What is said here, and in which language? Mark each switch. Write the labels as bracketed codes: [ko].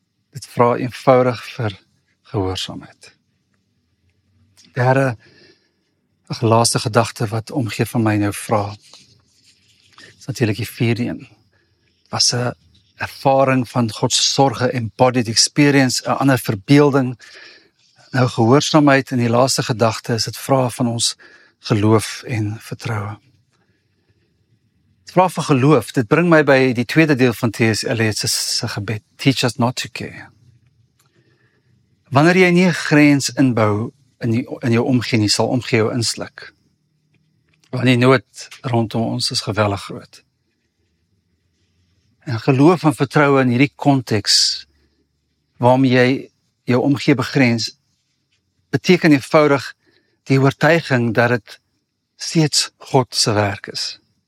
[af] Dit vra eenvoudig vir gehoorsaamheid. Derde, ag laaste gedagte wat omgee van my nou vra, is natuurlik die vierde een. Was 'n ervaring van Godse sorge, [en] embodied experience, [af] 'n ander verbeelding, nou gehoorsaamheid, en die laaste gedagte is het vra van ons geloof en vertroue. Het vra van geloof, dit bring my by die tweede deel van T.S. Eliot se gebed, [en] Teach us not to care. [af] Wanneer jy nie 'n grens inbou in jou omgee nie, sal omgee jou insluk. Want die nood rondom ons is geweldig groot. En geloof en vertroue in hierdie konteks waarmee jy jou omgee begrens, beteken eenvoudig die oortuiging dat het steeds God se werk is.